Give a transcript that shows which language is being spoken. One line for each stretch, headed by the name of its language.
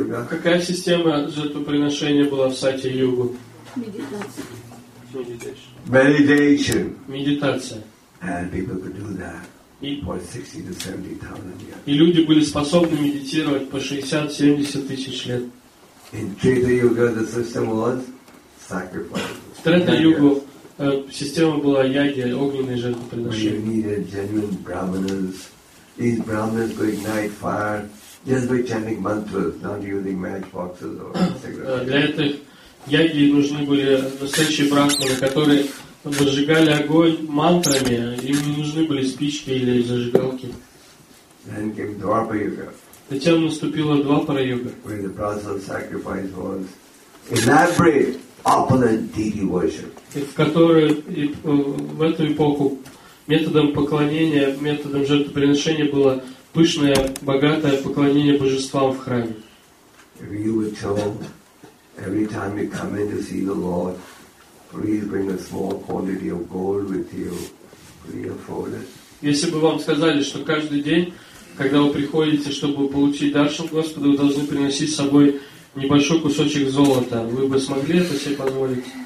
Russian: Какая система жертвоприношения была в Сати-югу? Медитация. Медитация.
English: And people could do that for 60 to 70 thousand years.
Russian: И люди были способны медитировать по 60-70 тысяч лет.
English: In Treta-yuga the system was sacrifice.
Russian: В Трета-югу система была яги, огненные жертвоприношения.
English: Where you needed genuine brahmanas. These brahmanas could ignite fire just by chanting mantras, not using matchboxes or cigarettes.
Russian: Для этих яги нужны были настоящие брахманы, которые зажигали огонь мантрами. Им не нужны были спички или зажигалки.
English: Then came Dwapara Yuga.
Russian: Затем наступила Двапара Юга.
English: Where the process of sacrifice was elaborate opulent deity worship.
Russian: В которой в эту эпоху методом поклонения, методом жертвоприношения было пышное, богатое поклонение божествам в храме.
English: If you were told every time you come in to see the Lord, please bring a small quantity of gold with you, please afford it.
Russian: Если бы вам сказали, что каждый день, когда вы приходите, чтобы получить даршан Господа, вы должны приносить с собой небольшой кусочек золота, вы бы смогли это себе позволить?